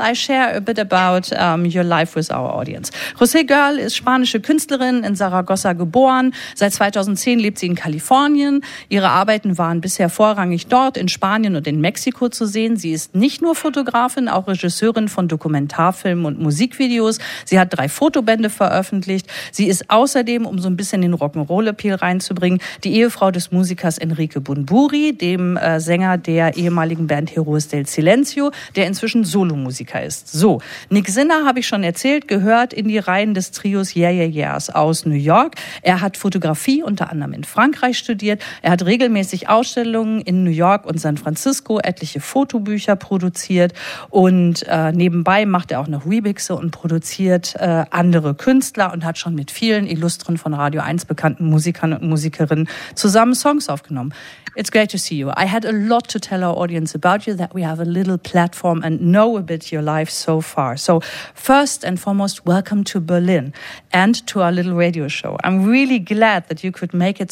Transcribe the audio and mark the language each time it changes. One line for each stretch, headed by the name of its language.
English: I share a bit about your life with our audience.
German: José Girl ist spanische Künstlerin, in Saragossa geboren. Seit 2010 lebt sie in Kalifornien. Ihre Arbeiten waren bisher vorrangig dort, in Spanien und in Mexiko zu sehen. Sie ist nicht nur Fotografin, auch Regisseurin von Dokumentarfilmen und Musikvideos. Sie hat 3 Fotobände veröffentlicht. Sie ist außerdem, um so ein bisschen den Rock'n'Roll-Appeal reinzubringen, die Ehefrau des Musikers Enrique Bunbury, dem Sänger der ehemaligen Band Heroes del Silencio, der inzwischen Solomusiker ist. So, Nick Sinner, habe ich schon erzählt, gehört in die Reihen des Trios Yeah Yeah Yeahs aus New York. Er hat Fotografie unter anderem in Frankreich studiert. Er hat regelmäßig Ausstellungen in New York und San Francisco, etliche Fotobücher produziert und nebenbei macht er auch noch Remixe und produziert andere Künstler und hat schon mit vielen illustren von Radio 1 bekannten Musikern und Musikerinnen zusammen Songs aufgenommen.
English: It's great to see you. I had a lot to tell our audience about you, that we have a little platform and know a bit your life so far. So first and foremost, welcome to Berlin and to our little radio show. I'm really glad that you could make it.